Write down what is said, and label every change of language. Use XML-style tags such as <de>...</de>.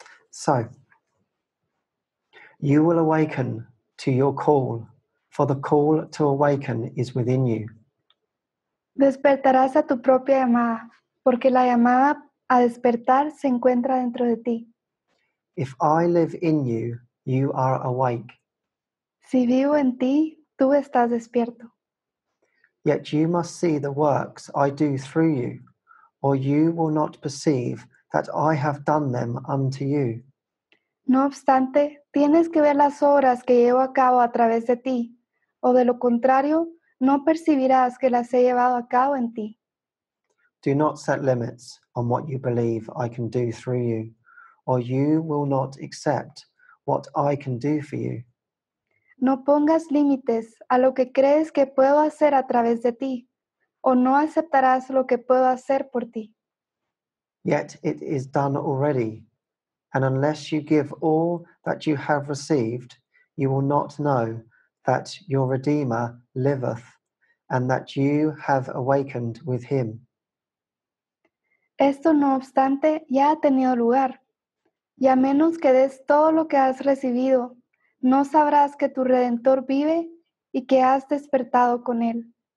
<en>So you will awaken to your call, for the call to awaken is within you.</en> <es>Despertarás a tu propia llamada, porque la llamada a despertar se encuentra dentro de ti.</es> <en>If I live in you, you are awake.</en> <es>Si vivo en ti, tú estás despierto.</es> <en>Yet you must see the works I do through you, or you will not perceive that I have done them unto you.</en> <es>No obstante, tienes que ver las obras que llevo a cabo a través de ti, o de lo contrario, no percibirás que las he llevado a cabo en ti.</es> <en>Do not set limits on what you believe I can do through you, or you will not accept what I can do for you.</en> <es>No pongas límites a lo que crees que puedo hacer a través de ti, o no aceptarás lo que puedo hacer por ti.</es> <en>Yet it is done already. And unless you give all that you have received, you will not know that your Redeemer liveth and that you have awakened with him.</en> <es>Esto no obstante ya ha tenido lugar. Y a menos que des todo lo que has recibido, no sabrás que tu Redentor vive y que has despertado con él.</es>